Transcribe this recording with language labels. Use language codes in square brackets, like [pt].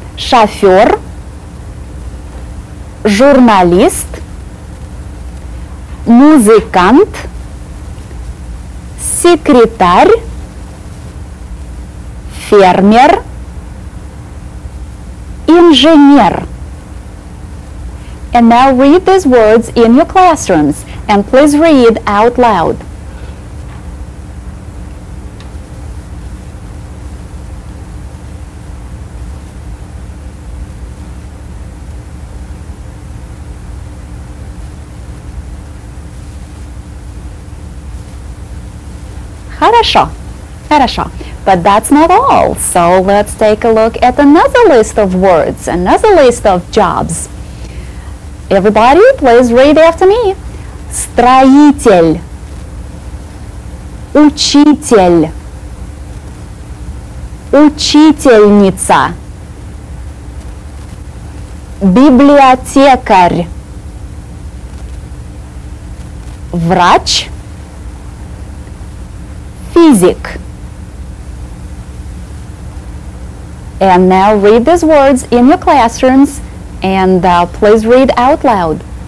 [ru] Шофер, журналист, музыкант, секретарь, фермер, инженер. [en] And now read these words in your classrooms. And please read out loud. [ru] Хорошо, хорошо. [en] But that's not all. So let's take a look at another list of words, another list of jobs. Everybody, please read after me. [ru] Строитель, учитель, учительница, библиотекарь, врач, физик. [en] And now read these words in your classrooms and please read out loud.